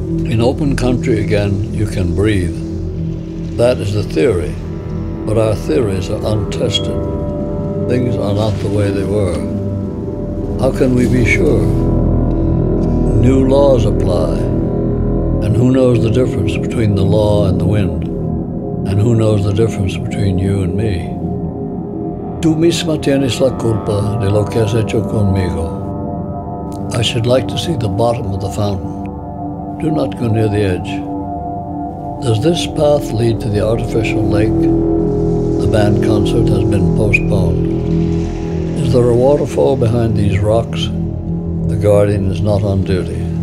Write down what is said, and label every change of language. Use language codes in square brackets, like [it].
[en] In open country again, you can breathe. That is the theory, but our theories are untested. Things are not the way they were. How can we be sure? New laws apply. And who knows the difference between the law and the wind? And who knows the difference between you and me? [es] Tu misma tienes la culpa de lo que has hecho conmigo. [en] I should like to see the bottom of the fountain. Do not go near the edge. Does this path lead to the artificial lake? The band concert has been postponed. Is there a waterfall behind these rocks? The guardian is not on duty.